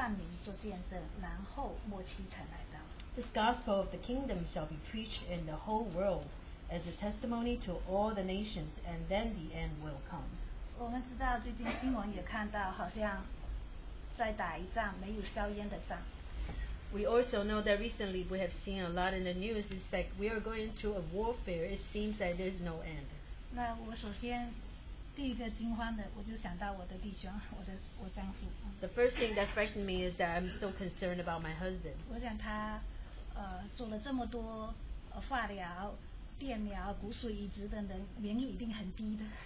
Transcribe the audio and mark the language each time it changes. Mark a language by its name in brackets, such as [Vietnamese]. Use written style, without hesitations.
[Chinese] 这天国的福音要传遍天下，对万民做见证，然后末期才来到。 [English] This gospel of the kingdom shall be preached in the whole world as a testimony to all the nations, and then the end will come. [Chinese] 我们知道最近新闻也看到好像在打一仗没有硝烟的仗。 [English] We also know that recently we have seen a lot in the news. It's like we are going through a warfare. It seems that there's no end. [Chinese] 那我首先第一个惊慌的我就想到我的弟兄我的丈夫。 [English] The first thing that frightened me is that I'm so concerned about my husband. [Chinese] 我想他做了这么多化疗 电疗、骨髓移植等等，免疫一定很低的。